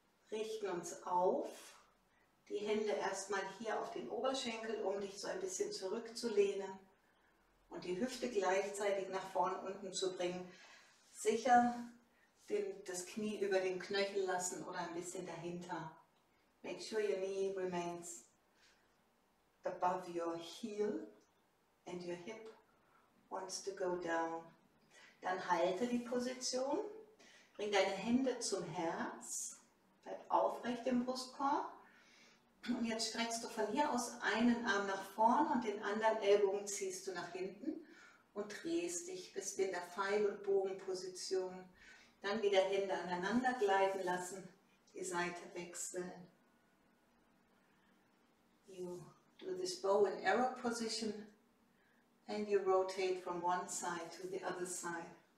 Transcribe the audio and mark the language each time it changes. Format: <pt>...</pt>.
<de>Richten uns auf. Die Hände erstmal hier auf den Oberschenkel, um dich so ein bisschen zurückzulehnen. Und die Hüfte gleichzeitig nach vorn unten zu bringen. Sicher das Knie über den Knöchel lassen oder ein bisschen dahinter.</de> <en>Make sure your knee remains above your heel and your hip wants to go down.</en> <de>Dann halte die Position. Bring deine Hände zum Herz. Bleib aufrecht im Brustkorb. Und jetzt streckst du von hier aus einen Arm nach vorn und den anderen Ellbogen ziehst du nach hinten und drehst dich bis in der Pfeil- und Bogenposition. Dann wieder Hände aneinander gleiten lassen, die Seite wechseln.</de> <en>You do this bow and arrow position and you rotate from one side to the other side.</en>